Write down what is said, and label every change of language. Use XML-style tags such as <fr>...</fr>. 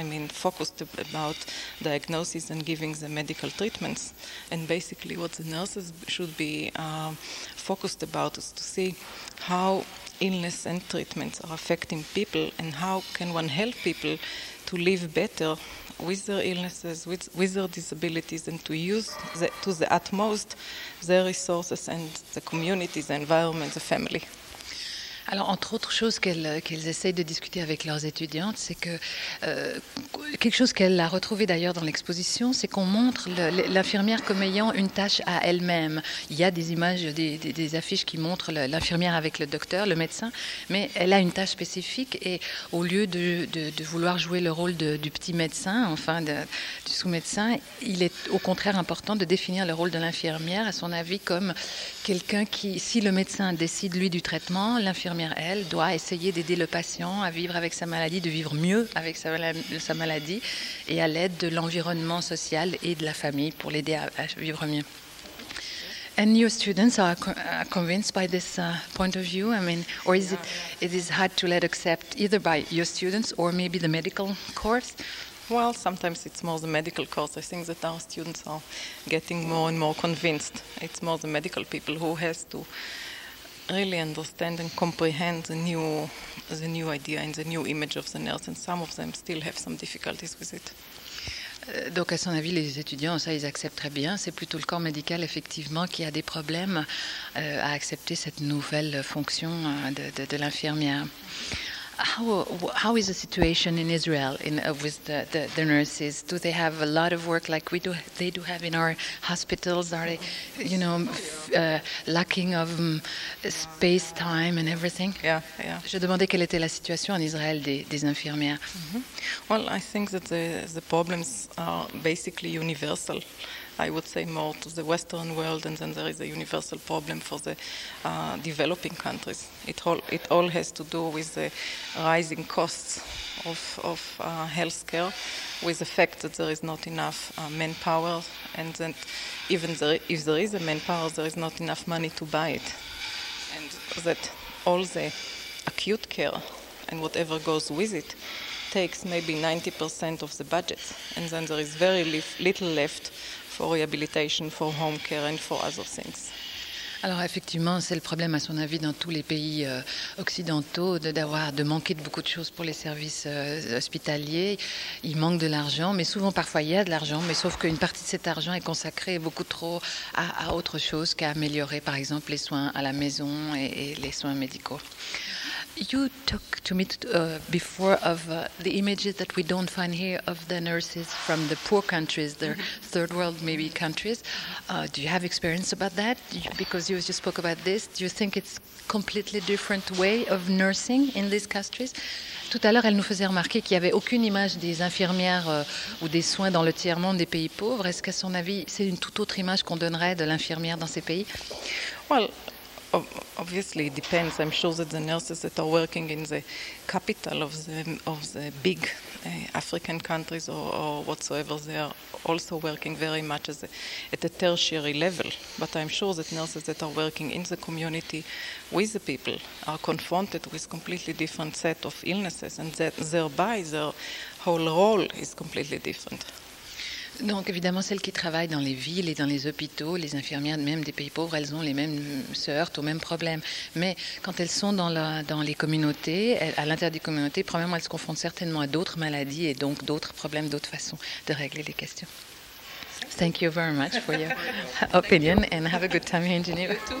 <en>focused about diagnosis and giving the medical treatments, and basically what the nurses should be focused about is to see how illness and treatments are affecting people, and how can one help people to live better with their illnesses, with their disabilities, and to use to the utmost their resources and the community, the environment, the family.</en> <fr>Alors, entre autres choses qu'elles essayent de discuter avec leurs étudiantes, c'est que quelque chose qu'elle a retrouvé d'ailleurs dans l'exposition, c'est qu'on montre l'infirmière comme ayant une tâche à elle-même. Il y a des images, des affiches qui montrent l'infirmière avec le docteur, le médecin, mais elle a une tâche spécifique, et au lieu de vouloir jouer le rôle du petit médecin, enfin du sous-médecin, il est au contraire important de définir le rôle de l'infirmière, à son avis, comme quelqu'un qui, si le médecin décide lui du traitement, l'infirmière, elle, doit essayer d'aider le patient à vivre avec sa maladie, de vivre mieux avec sa maladie, et à l'aide de l'environnement social et de la famille pour l'aider à vivre mieux.</fr> <en>And your students are convinced by this point of view? I mean, or is it is hard to let accept either by your students or maybe the medical course? Well, sometimes it's more the medical course. I think that our students are getting more and more convinced. It's more the medical people who has to really understand and comprehend the new idea and the new image of the nurse, and some of them still have some difficulties with it.</en> <fr>Donc, à son avis, les étudiants, ça, ils acceptent très bien. C'est plutôt le corps médical, effectivement, qui a des problèmes à accepter cette nouvelle fonction de l'infirmière.</fr> <en>How is the situation in Israel with the nurses? Do they have a lot of work like we do? They do have in our hospitals. Are they, you know, lacking of space, time, and everything? Yeah, yeah.</en> <fr>Je demandais quelle était la situation en Israël des infirmières. Mm-hmm.</fr> <en>Well, I think that the problems are basically universal. I would say more to the Western world, and then there is a universal problem for the developing countries. It all has to do with the rising costs of healthcare, with the fact that there is not enough manpower, and then even if there is a manpower, there is not enough money to buy it. And that all the acute care and whatever goes with it takes maybe 90% of the budget, and then there is very little left for rehabilitation, for home care, and for other things.</en> <fr>Alors effectivement, c'est le problème à son avis dans tous les pays occidentaux de manquer de beaucoup de choses pour les services hospitaliers. Il manque de l'argent, mais souvent parfois il y a de l'argent, mais sauf qu'une partie de cet argent est consacrée beaucoup trop à autre chose qu'à améliorer par exemple les soins à la maison et les soins médicaux.</fr> <en>You talked to me before of the images that we don't find here of the nurses from the poor countries, the third world maybe countries. Do you have experience about that? Because you just spoke about this. Do you think it's completely different way of nursing in these countries?</en> <fr>Tout à l'heure, elle nous faisait remarquer qu'il n'y avait aucune image des infirmières ou des soins dans le tiers-monde des pays pauvres. Est-ce qu'à son avis, c'est une toute autre image qu'on donnerait de l'infirmière dans ces pays?</fr> <en>Well, obviously, it depends. I'm sure that the nurses that are working in the capital of the big African countries or whatsoever, they are also working very much at a tertiary level. But I'm sure that nurses that are working in the community with the people are confronted with completely different set of illnesses, and that thereby their whole role is completely different.</en> <fr>Donc évidemment, celles qui travaillent dans les villes et dans les hôpitaux, les infirmières même des pays pauvres, elles ont les mêmes, se heurtent aux mêmes problèmes. Mais quand elles sont dans les communautés, à l'intérieur des communautés, premièrement, elles se confrontent certainement à d'autres maladies et donc d'autres problèmes, d'autres façons de régler les questions.</fr> <en>Thank you very much for your opinion and have a good time here in Geneva.</en>